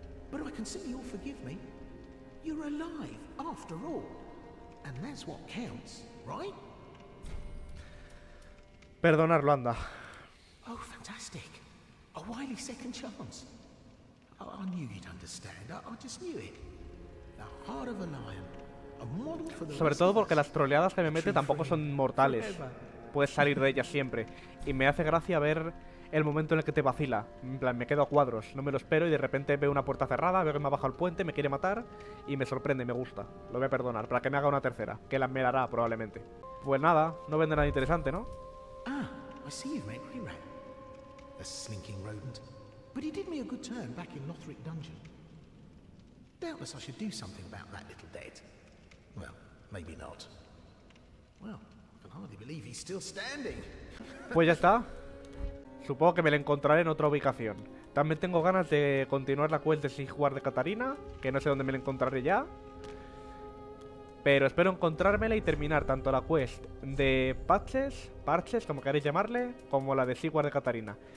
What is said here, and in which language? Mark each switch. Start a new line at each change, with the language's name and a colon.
English: But I can see you'll forgive me. You're alive, after all. And that's what counts, right?
Spanish: Perdonarlo, anda.
English: Oh, fantastic. A wily second chance. Oh, I knew you'd understand. I just knew it. The heart of a lion. A model for the...
Spanish: Sobre todo porque las troleadas que me mete tampoco son mortales. Puedes salir de ellas siempre. Y me hace gracia ver... el momento en el que te vacila. En plan, me quedo a cuadros, no me lo espero y de repente veo una puerta cerrada, veo que me ha bajado el puente, me quiere matar y me sorprende, me gusta. Lo voy a perdonar, para que me haga una tercera, que la me dará probablemente. Pues nada, no vende nada interesante, ¿no?
English: Ah, I see you've met Rerat. A slinking rodent. But he did me a good turn back in Lothric Dungeon. Doubtless I should do something about that little dead. Well, maybe not. Well, I can hardly believe he's still standing.
Spanish: Pues ya está. Supongo que me la encontraré en otra ubicación. También tengo ganas de continuar la quest de Sigward de Katarina, que no sé dónde me la encontraré ya. Pero espero encontrármela y terminar tanto la quest de Parches, como queréis llamarle, como la de Sigward de Katarina.